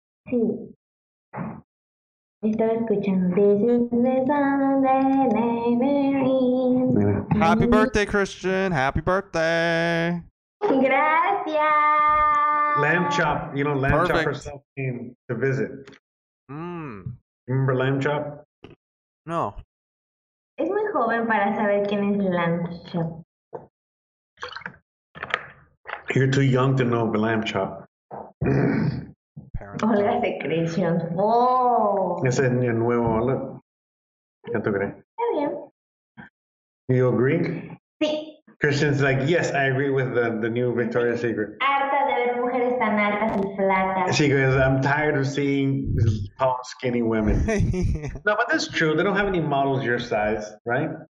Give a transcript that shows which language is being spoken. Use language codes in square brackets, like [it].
[es] Sí. [en] Happy birthday, Christian. Happy birthday. [es] Gracias. [en] Lamb chop. You know, lamb chop herself came to visit. Remember Lamb Chop? No. [es] Es muy joven para saber quién es Lamb Chop. [en] You're too young to know Lamb Chop. [es] Hola, secreciones. Oh. Ese es el nuevo, hola. ¿Ya tú crees? Está bien. [en] You agree? [es] Sí. [en] Christian's like, yes, I agree with the new Victoria's Secret. [es] Harta de ver mujeres tan altas y flacas. [en] She goes, I'm tired of seeing tall, skinny women. Yeah. No, but that's true. They don't have any models your size, right?